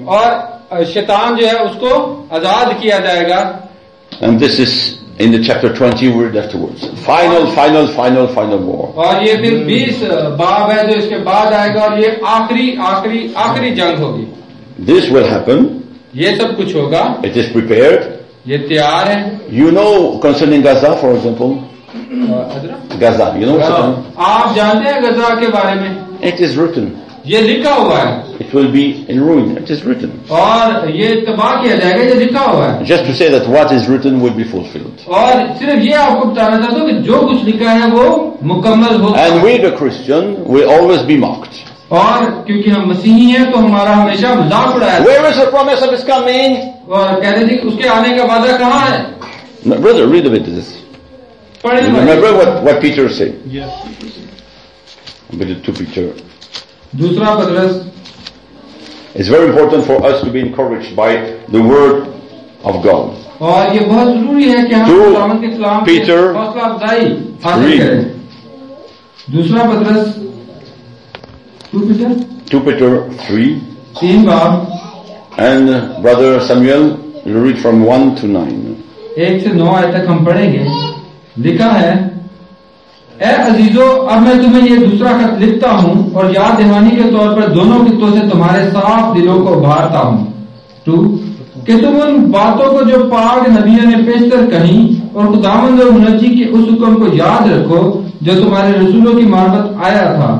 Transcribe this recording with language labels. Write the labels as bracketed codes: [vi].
[hi] और शैतान जो है उसको आजाद किया जाएगा। [en] And this is in the chapter 20 word afterwards. Final war. [hi] और ये फिर 20 बाब है जो इसके बाद आएगा और ये आखिरी जंग होगी। [en] This will happen. [hi] ये सब कुछ होगा। [en] It is prepared. [hi] ये तैयार है। [en] You know concerning Gaza, for example. Gaza, you know what? [hi] आप जानते हैं गजा के बारे में? [en] It is written. [hi] ये लिखा हुआ है। [en] It will be in ruin. It is written. [hi] और ये तबाह किया जाएगा ये लिखा हुआ है। [en] Just to say that what is written would be fulfilled. [hi] और सिर्फ ये आपको बताना चाहता हूँ कि जो कुछ लिखा है वो मुकम्मल होगा। [en] And we the Christian will always be mocked. [hi] और क्योंकि हम मसीही हैं तो हमारा हमेशा मजाक उड़ाया। [en] Where is the promise of his coming? [hi] और कह रहे थे उसके आने का वादा कहाँ है? [en] My brother, read with this. [hi] पढ़े [en] Remember what Peter said. Yes. But to Peter. [hi] दूसरा पत्रस. [en] It's very important for us to be encouraged by the word of God. [hi] और ये बहुत जरूरी है कि हम खुदावंद के कलाम से हौसला अफजाई हासिल करें. दूसरा पत्रस. [en] Two Peter 3. [hi] तीन बार. [en] And brother Samuel, you read from 1 to 9. 1 to 9 [hi] आज तक हम पढ़ेंगे। लिखा है, ऐ अजीजों, अब मैं तुम्हें ये दूसरा खत लिखता हूँ और याद दिलानी के तौर पर दोनों खितों से तुम्हारे साफ दिलों को उभारता हूँ। 2, कि तुम उन बातों को जो पाक नबियों ने पेशतर कही और खुदावंद और मुनज्जी के उस हुक्म को याद रखो जो तुम्हारे रसूलों की मार्फत आया था।